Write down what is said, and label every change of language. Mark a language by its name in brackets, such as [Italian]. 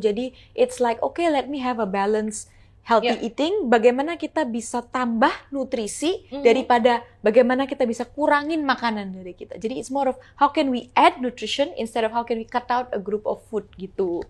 [English] Jadi it's like let me have a balance healthy eating. [Indonesian] Bagaimana kita bisa tambah nutrisi daripada bagaimana kita bisa kurangin makanan dari kita. [English] Jadi it's more of how can we add nutrition instead of how can we cut out a group of food gitu.